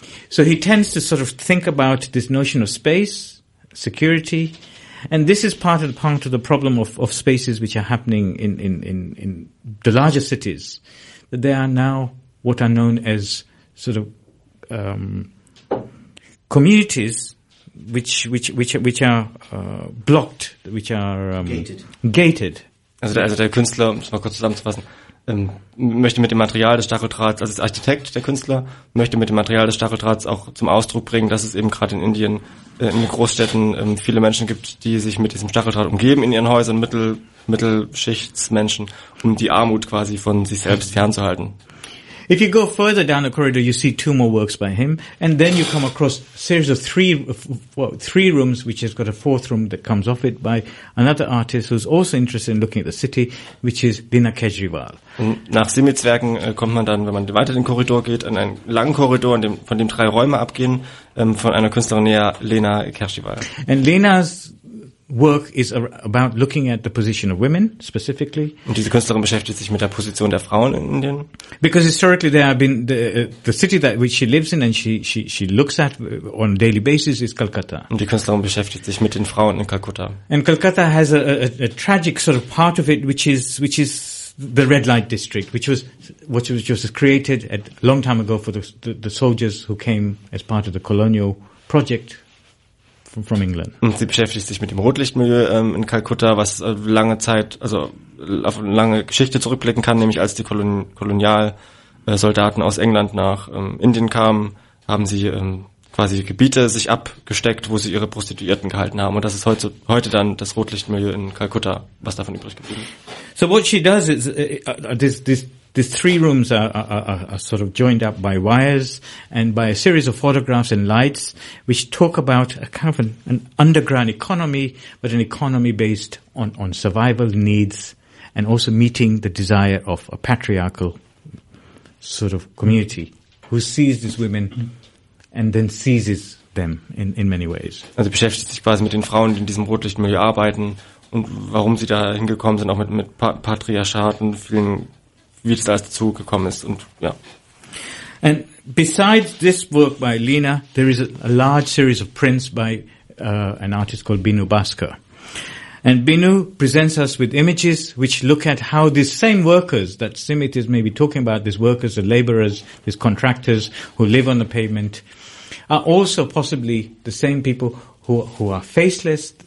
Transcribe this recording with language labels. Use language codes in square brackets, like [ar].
[en] So he tends to sort of think about this notion of space, security, and this is part of the problem of spaces which are happening in the larger cities, that they are now what are known as sort of communities which are gated. [de] Also der Künstler, um es mal kurz zusammenzufassen, möchte mit dem Material des Stacheldrahts, also der Architekt, der Künstler, möchte mit dem Material des Stacheldrahts auch zum Ausdruck bringen, dass es eben gerade in Indien, in den Großstädten viele Menschen gibt, die sich mit diesem Stacheldraht umgeben in ihren Häusern, Mittelschichtsmenschen, um die Armut quasi von sich selbst fernzuhalten. [en] If you go further down the corridor, you see two more works by him, and then you come across a series of three rooms, which has got a fourth room that comes off it by another artist who's also interested in looking at the city, which is Vinay Kejriwal. [de] Nach Simits Werken kommt man dann, wenn man weiter den Korridor geht, in einen langen Korridor, von dem drei Räume abgehen, von einer Künstlerin näher, Lena Kejriwal. [en] And Lena's work is about looking at the position of women specifically. [de] Und diese Künstlerin beschäftigt sich mit der Position der Frauen in Indien. [en] Because historically there have been the city that which she lives in and she looks at on a daily basis is Calcutta. [de] Und die Künstlerin beschäftigt sich mit den Frauen in Calcutta. [en] And Calcutta has a tragic sort of part of it which is the red light district, which was created a long time ago for the soldiers who came as part of the colonial project. From England. [de] Und sie beschäftigt sich mit dem Rotlichtmilieu in Kalkutta, was lange Zeit, also auf eine lange Geschichte zurückblicken kann, nämlich als die Kolonialsoldaten aus England nach Indien kamen, haben sie quasi Gebiete sich abgesteckt, wo sie ihre Prostituierten gehalten haben. Und das ist heute dann das Rotlichtmilieu in Kalkutta, was davon übrig geblieben ist. [en] So what she does is these three rooms are sort of joined up by wires and by a series of photographs and lights which talk about a kind of an underground economy, but an economy based on survival needs and also meeting the desire of a patriarchal sort of community who sees these women and then seizes them in many ways. [de] Also beschäftigt sich quasi mit den Frauen, die in diesem Rotlichtmilieu arbeiten und warum sie da hingekommen sind, auch mit Patriarchaten, vielen, wie es da dazu gekommen ist und ja. [en] And besides this work by Lena, there is a large series of prints by an artist called Binu Bhaskar. And Binu presents us with images which look at how these same workers that Simit is maybe talking about, these workers, the laborers, these contractors who live on the pavement, are also possibly the same people who are faceless.